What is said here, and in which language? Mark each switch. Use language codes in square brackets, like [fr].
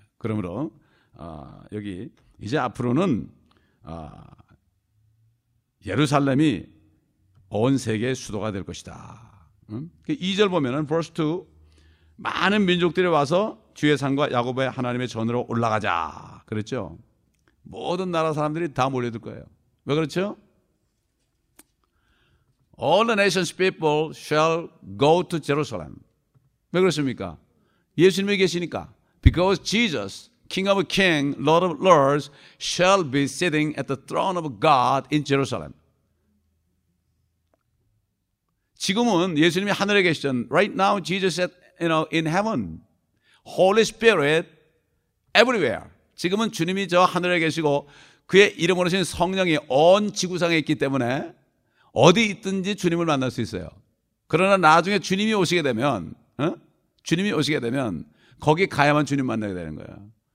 [ko] 그러므로 여기 이제 앞으로는 예루살렘이 온 세계의 수도가 될 것이다. 응? 그 2절 보면은 [en] verse 2 [ko] 많은 민족들이 와서 주의 산과 야곱의 하나님의 전으로 올라가자 그랬죠. 모든 나라 사람들이 다 몰려들 거예요. 왜 그렇죠? [en] All the nations people shall go to Jerusalem. [ko] 왜 그렇습니까? 예수님이 계시니까. [en] Because Jesus, King of Kings, Lord of Lords, shall be sitting at the throne of God in Jerusalem. [ko] 지금은 예수님이 하늘에 계시죠. [en] Right now Jesus said, you know, in heaven. Holy Spirit everywhere. [ko] 지금은 주님이 저 하늘에 계시고 그의 이름으로 신 성령이 온 지구상에 있기 때문에 어디 있든지 주님을 만날 수 있어요. 그러나 나중에 주님이 오시게 되면 주님이 오시게 되면 거기 가야만 주님 만나게 되는 거예요.